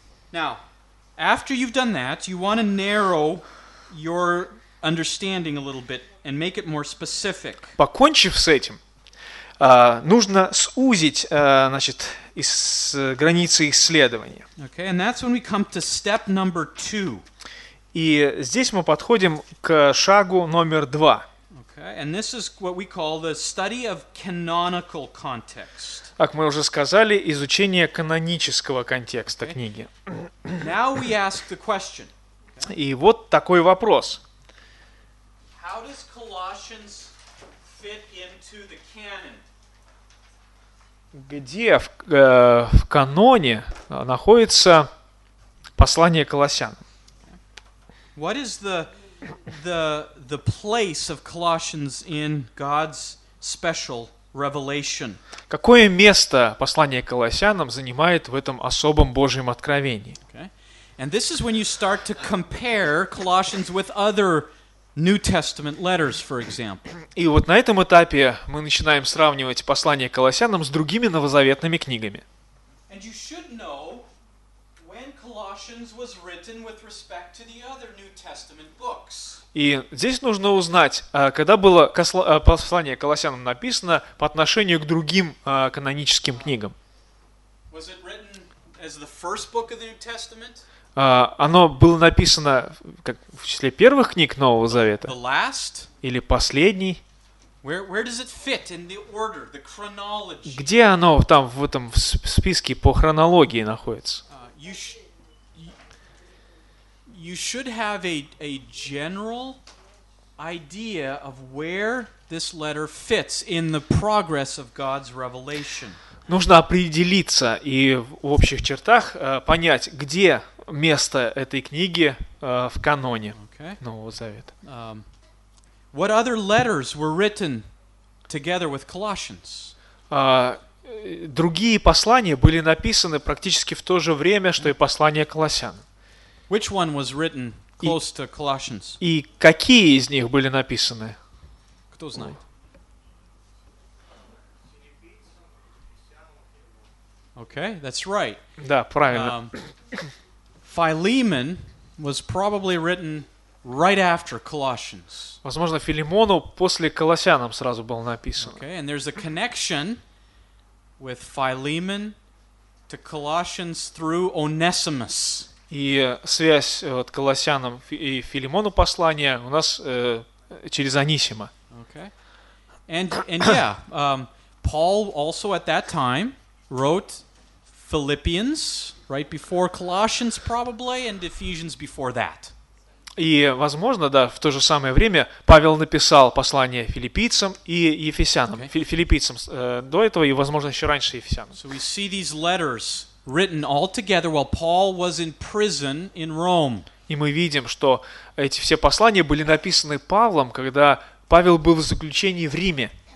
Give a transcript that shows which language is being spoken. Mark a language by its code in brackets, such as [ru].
[en] Now, after you've done that, you want to narrow your understanding a little bit and make it more specific. [ru] Покончив с этим, нужно сузить, значит, границы исследования. [en] Okay, and that's when we come to step number 2. [ru] И здесь мы подходим к шагу номер 2. [en] Okay, and this is what we call the study of canonical context. [ru] Как мы уже сказали, изучение канонического контекста книги. [en] Now we ask the question. [ru] И вот такой вопрос. [en] How does Colossians fit into the canon? [ru] Где в каноне находится послание Колоссянам. [en] What is the place of Colossians in God's special revelation? [ru] Какое место послание Колоссянам занимает в этом особом Божьем откровении? [en] Okay. And this is when you start to compare Colossians with other New Testament letters, for example. [ru] И вот на этом этапе мы начинаем сравнивать послание Колоссянам с другими новозаветными книгами. [en] And you should know when Colossians was written with respect to the other New Testament books. [ru] И здесь нужно узнать, когда было послание Колоссянам написано по отношению к другим каноническим книгам. [en] Was it written as the first book of the New Testament? [ru] Оно было написано как в числе первых книг Нового Завета? [en] The last? [ru] Или последний? [en] Where does it fit in the order, the chronology? [ru] Где оно там в этом в списке по хронологии находится? [en] You should have a general idea of where this letter fits in the progress of God's revelation. [ru] Нужно определиться и в общих чертах понять, где место этой книги в каноне Нового Завета. [en] What other letters were written together with Colossians? [ru] Другие послания были написаны практически в то же время, что и послание Колоссянам. [en] Which one was written close to Colossians? [ru] И какие из них были написаны? Кто знает? [en] Okay, that's right. [ru] Да, правильно. [en] Philemon was probably written right after Colossians. [ru] Возможно, Филимону после Колоссянам сразу было написано. [en] Okay, and there's a connection with Philemon to Colossians through Onesimus. [ru] И связь от Колоссянам и Филимону послания у нас через Онисима. [en] Okay. And Paul also at that time wrote Philippians right before Colossians probably and Ephesians before that. [ru] И возможно, да, в то же самое время Павел написал послание Филиппийцам и Ефесянам. [en] Okay. [ru] Филиппийцам до этого и возможно ещё раньше Ефесянам. [en] So we see these letters written all together while Paul was in prison in Rome. [ru] И мы видим, что эти все послания были написаны Павлом, когда Павел был в заключении в Риме.